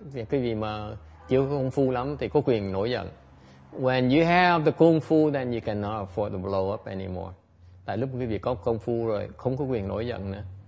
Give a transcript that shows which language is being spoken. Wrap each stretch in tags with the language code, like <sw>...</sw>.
<vi>Cái gì mà chưa có kung fu lắm thì có quyền nổi giận.</vi> <en>When you have the kung fu, then you cannot afford to blow up anymore.</en> <vi>Tại lúc quý vị có kung fu rồi, không có quyền nổi giận nữa.</vi>